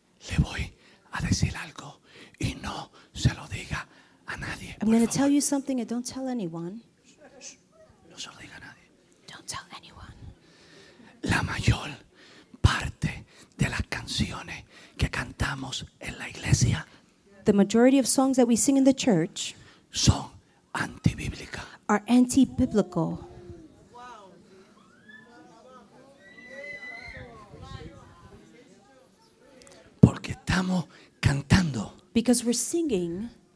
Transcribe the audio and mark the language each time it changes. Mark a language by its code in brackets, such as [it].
[es] Le voy a decir algo y no se lo diga. [en] I'm going to tell you something and don't tell anyone. [es] No se lo diga a nadie. [en] Don't tell anyone. [es] La mayor parte de las canciones que cantamos en la iglesia. [en] The majority of songs that we sing in the church. [es] Son antibíblicas. [en] Are anti-biblical. [es] Porque estamos cantando. [en] Because we're singing.